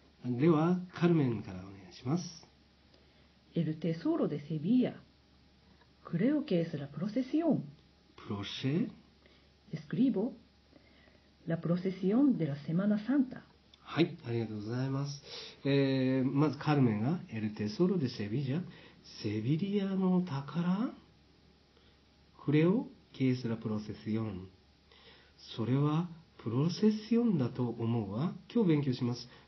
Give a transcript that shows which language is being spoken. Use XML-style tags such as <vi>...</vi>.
<ja>では, Carmen, からお願いします。</ja> <es>El tesoro de Sevilla. Creo que es la procesión. ¿Proce? Escribo la procesión de la Semana Santa.</es> <ja>はい、ありがとうございます。まず、カルメンが、エルテソロでセビリア、セビリアの宝、クレオ、ケースラプロセシオン。それは、プロセシオンだと思うわ。今日勉強します。</ja>